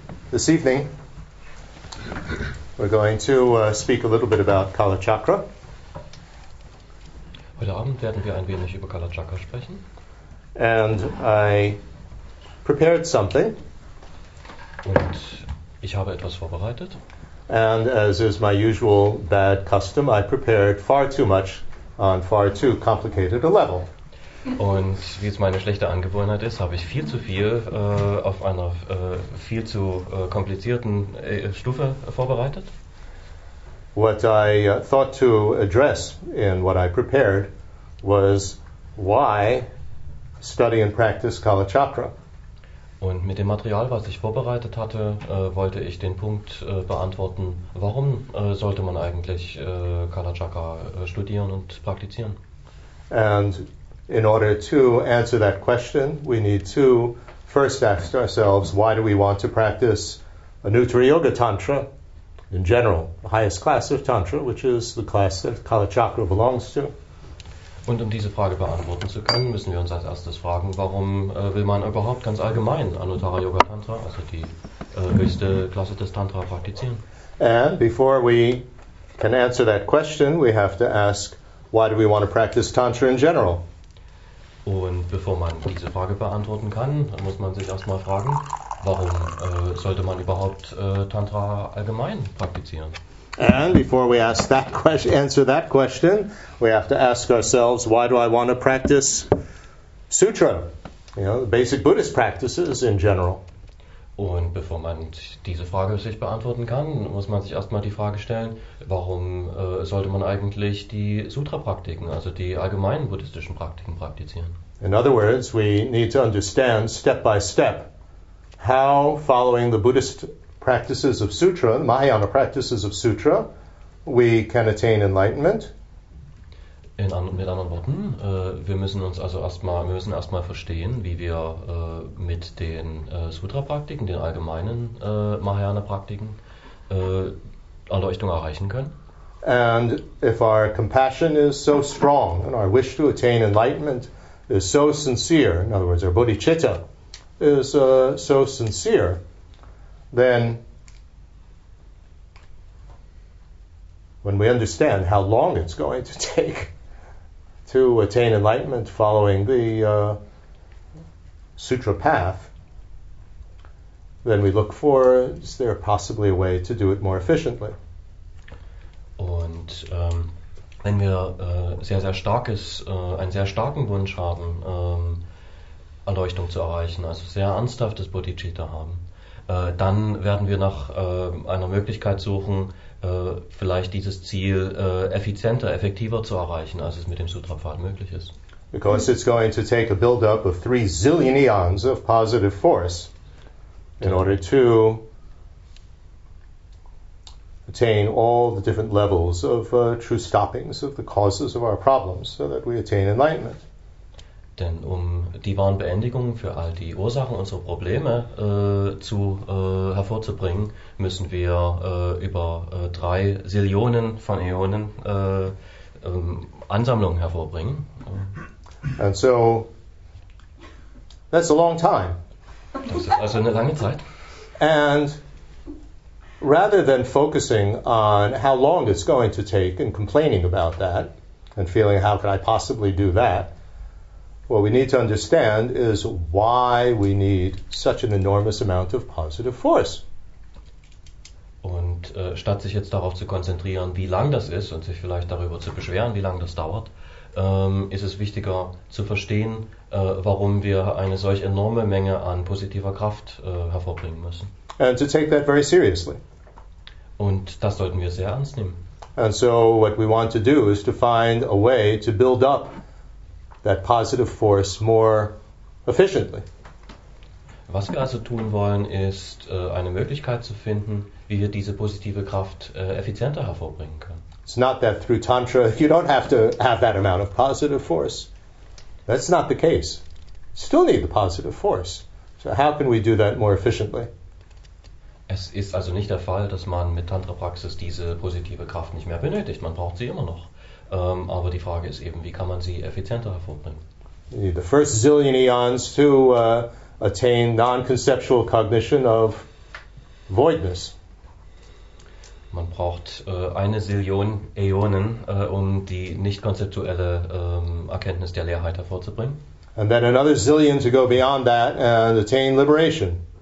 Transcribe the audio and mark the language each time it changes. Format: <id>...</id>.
<en>This evening, we're going to speak a little bit about Kalachakra.</en> <de>Heute Abend werden wir ein wenig über Kalachakra sprechen.</de> <en>And I prepared something.</en> <de>Und ich habe etwas vorbereitet.</de> <en>And as is my usual bad custom, I prepared far too much on far too complicated a level.</en> <de>Und wie es meine schlechte Angewohnheit ist, habe ich viel zu viel auf einer viel zu komplizierten Stufe vorbereitet.</de> <en>What I thought to address in what I prepared was why study and practice Kalachakra.</en> <de>Und mit dem Material, was ich vorbereitet hatte, wollte ich den Punkt beantworten, warum sollte man eigentlich Kalachakra studieren und praktizieren?</de> <en>And in order to answer that question, we need to first ask ourselves, why do we want to practice a Nutra Yoga Tantra in general, the highest class of Tantra, which is the class that Kalachakra belongs to?</en> <de>Und um diese Frage beantworten zu können, müssen wir uns als erstes fragen, warum will man überhaupt ganz allgemein Anuttara Yoga Tantra, also die höchste Klasse des Tantra, praktizieren?</de> <en>And before we can answer that question, we have to ask, why do we want to practice Tantra in general?</en> <de>Und bevor man diese Frage beantworten kann, dann muss man sich erstmal fragen, warum sollte man überhaupt Tantra allgemein praktizieren?</de> <en>And before we ask that question, answer that question, we have to ask ourselves, why do I want to practice Sutra? You know, the basic Buddhist practices in general.</en> <de>Und bevor man diese Frage sich beantworten kann, muss man sich erstmal die Frage stellen, warum sollte man eigentlich die Sutra-Praktiken, also die allgemeinen buddhistischen Praktiken, praktizieren?</de> <en>In other words, we need to understand step by step how following the Buddhist practices of Sutra, Mahayana practices of Sutra, we can attain enlightenment.</en> <de>Mit anderen Worten, wir müssen erstmal verstehen, wie wir mit den Sutra-Praktiken, den allgemeinen Mahayana-Praktiken, Erleuchtung erreichen können.</de> <en>And if our compassion is so strong and our wish to attain enlightenment is so sincere, in other words, our bodhicitta is so sincere, then when we understand how long it's going to take to attain enlightenment following the sutra path, then we look for, is there possibly a way to do it more efficiently?</en> <de>Und wenn wir einen sehr starken Wunsch haben, Erleuchtung zu erreichen, also sehr ernsthaftes Bodhicitta haben, dann werden wir nach einer Möglichkeit suchen, vielleicht dieses Ziel effizienter, effektiver zu erreichen, als es mit dem Sutra-Pfad möglich ist.</de> <en>Because it's going to take a build-up of 3 zillion eons of positive force in order to attain all the different levels of true stoppings of the causes of our problems so that we attain enlightenment.</en> <de>Denn um die wahren Beendigungen für all die Ursachen unserer Probleme hervorzubringen, müssen wir über 3 Zillionen von Äonen Ansammlungen hervorbringen.</de> <en>And so, that's a long time.</en> <de>Das ist also eine lange Zeit.</de> <en>And rather than focusing on how long it's going to take and complaining about that and feeling how could I possibly do that, what we need to understand is why we need such an enormous amount of positive force.</en> <de>Und statt sich jetzt darauf zu konzentrieren, wie lang das ist und sich vielleicht darüber zu beschweren, wie lang das dauert, ist es wichtiger zu verstehen, warum wir eine solch enorme Menge an positiver Kraft hervorbringen müssen.</de> <en>And to take that very seriously.</en> <de>Und das sollten wir sehr ernst nehmen.</de> <en>And so what we want to do is to find a way to build up that positive force more efficiently.</en> <de>Was wir also tun wollen, ist eine Möglichkeit zu finden, wie wir diese positive Kraft effizienter hervorbringen können.</de> <en>It's not that through Tantra you don't have to have that amount of positive force. That's not the case. Still need the positive force. So how can we do that more efficiently?</en> <de>Es ist also nicht der Fall, dass man mit Tantra-Praxis diese positive Kraft nicht mehr benötigt. Man braucht sie immer noch. Aber die Frage ist eben, wie kann man sie effizienter hervorbringen?</de> <en>The first zillion eons to attain non-conceptual cognition of voidness.</en> <de>Man braucht eine Zillion Äonen, um die nicht-konzeptuelle Erkenntnis der Leerheit hervorzubringen.</de> <en>And then another zillion to go beyond that and attain liberation.</en>